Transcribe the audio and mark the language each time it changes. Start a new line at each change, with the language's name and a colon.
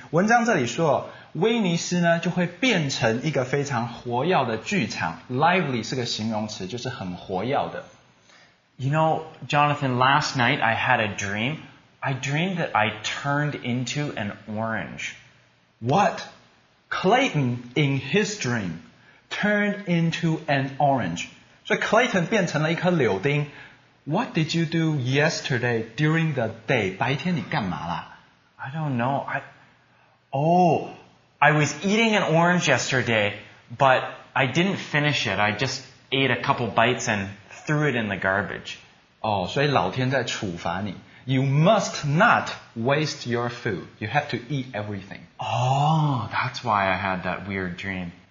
Chinese: 文章这里说，威尼斯呢就会变成一个非常活跃的剧场。 Lively 是个形容词，就是很活跃的。
English: You know, Jonathan, last night I had a dream. I dreamed that I turned into an orange. What? Clayton, in his dream, turned into an orange.
Chinese: 所以 Clayton 变成了一颗柳丁。
English: What did you do yesterday during the day?
Chinese: 白天你干嘛啦?
English: I don't know. I was eating an orange yesterday, but I didn't finish it. I just ate a couple bites and threw it in the garbage.
Chinese: Oh, 所以老天在处罚你。
English: You must not waste your food. You have to eat everything. Oh, that's why I had that weird dream.